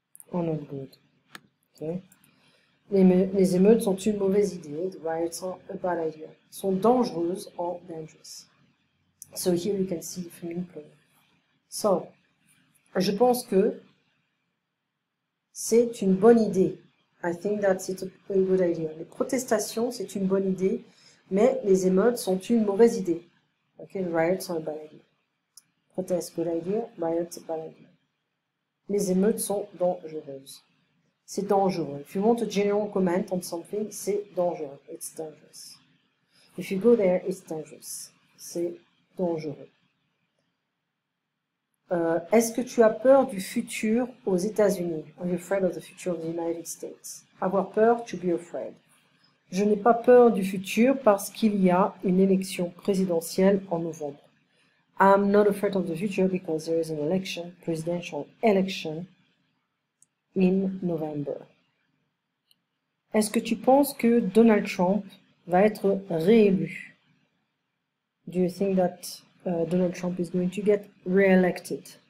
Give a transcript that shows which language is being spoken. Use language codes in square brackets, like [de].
[en] They're not good. Okay. [fr] Les émeutes sont une mauvaise idée, [en] the riots are a bad idea. [fr] Ils sont dangereuses [en] or dangerous. So here you can see the feminine pronoun. [fr] So, je pense que c'est une bonne idée. [en] I think that's a good idea. [fr] Les protestations, c'est une bonne idée, mais les émeutes sont une mauvaise idée. [en] Okay, riots are a bad idea. Protest, good idea. Riots, bad idea. [fr] Les émeutes sont dangereuses. C'est dangereux. [en] If you want a general comment on something, [fr] c'est dangereux. [en] It's dangerous. If you go there, it's dangerous. [fr] C'est dangereux. Est-ce que tu as peur du futur aux États-Unis? [en] Are you afraid of the future of the United States? [fr] Avoir peur, [en] to be afraid. [fr] Je n'ai pas peur du futur parce qu'il y a une élection présidentielle en novembre. [en] I'm not afraid of the future because there is an election, presidential election, in November. [fr] Est-ce que tu penses que Donald Trump va être réélu? [en] Do you think that Donald Trump is going to get re-elected.